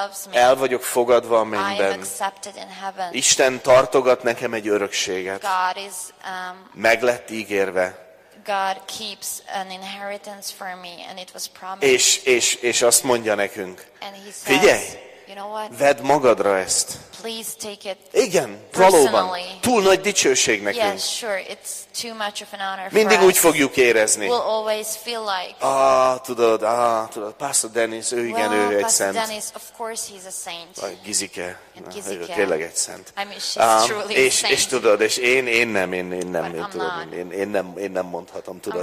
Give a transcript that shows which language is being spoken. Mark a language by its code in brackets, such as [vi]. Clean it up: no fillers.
[hu] El vagyok fogadva a mennyben. Isten tartogat nekem egy örökséget. Meg lett ígérve. [en] God keeps an inheritance for me, and it was promised. [hu] És azt mondja nekünk. [en] And he says, [hu] figyelj, [en] you know what? [hu] Vedd magadra ezt. [en] Please take it. [hu] Igen, valóban. Túl nagy dicsőség nekünk. [en] Yes, sure, it's too much of an honor for us. [hu] Mindig úgy fogjuk érezni. [en] We'll always feel like. [hu] Tudod, Pastor Dennis, ő igen, [en] well, [hu] ő egy szent. [en] Pastor Dennis, of course he's a saint. [hu] A Gizike, ő tényleg egy szent. [en] I mean, she's truly [hu] és, [en] a saint. [hu] És tudod, és én nem mondhatom, tudod.